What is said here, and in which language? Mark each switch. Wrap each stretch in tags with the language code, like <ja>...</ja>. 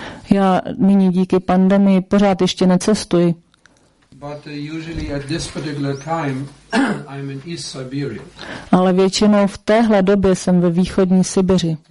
<cs>Já nyní díky pandemii pořád ještě necestuji.</cs> <en>But usually at this particular time I'm in East Siberia.</en> <cs>Ale většinou v téhle době jsem ve východní Sibiři.</cs>